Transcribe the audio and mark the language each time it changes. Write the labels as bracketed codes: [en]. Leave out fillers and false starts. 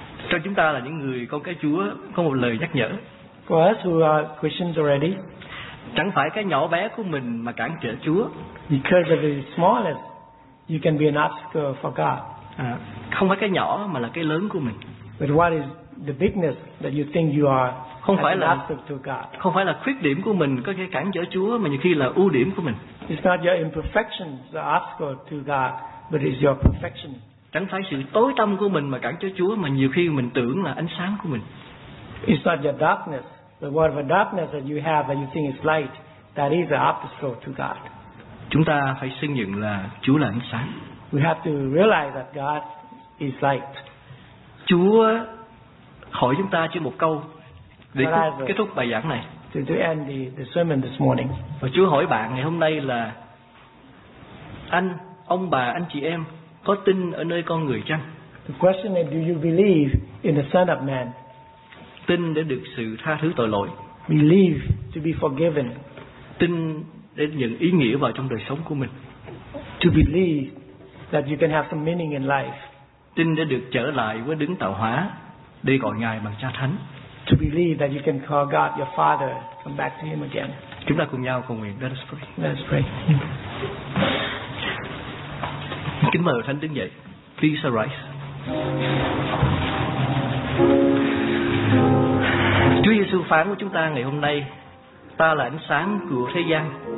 [vi] Cho chúng ta là những người con cái Chúa có một lời nhắc nhở. [en] For us who are Christians already, [vi] chẳng phải cái nhỏ bé của mình mà cản trở Chúa. [en] Because of the smallest, you can be an obstacle for God. [vi] Không phải cái nhỏ mà là cái lớn của mình. [en] But what is the bigness that you think you are? [vi] Không phải là [en] an obstacle to God. [vi] Không phải là khuyết điểm của mình có thể cản trở Chúa, mà nhiều khi là ưu điểm của mình. [en] It's not your imperfections the obstacle to God, but it's your perfection. [vi] Chẳng phải sự tối tăm của mình mà cản trở Chúa, mà nhiều khi mình tưởng là ánh sáng của mình. [en] It's not your darkness, but whatever darkness that you have that you think is light, that is the obstacle to God. [vi] Chúng ta phải xin nhận là Chúa là ánh sáng. [en] We have to realize that God is light. [vi] Chúa hỏi chúng ta chỉ một câu để kết thúc bài giảng này. [en] To end the sermon this morning. [vi] Và Chúa hỏi bạn ngày hôm nay là anh, ông bà, anh chị em có tin ở nơi con người chăng? [en] The question is, do you believe in the Son of Man? [vi] Tin để được sự tha thứ tội lỗi. [en] Believe to be forgiven. [vi] Tin để nhận ý nghĩa vào trong đời sống của mình. [en] To believe that you can have some meaning in life. [vi] Tin để được trở lại với Đấng Tạo Hóa, đi gọi Ngài bằng Cha Thánh. [en] To believe that you can call God your Father, come back to Him again. [vi] Chúng ta cùng nhau cầu nguyện. [en] Let us pray. Let us pray. [vi] Kính mời Thánh đứng dậy. [en] Please arise. [vi] Chúa Giêsu phán với chúng ta ngày hôm nay: Ta là ánh sáng của thế gian.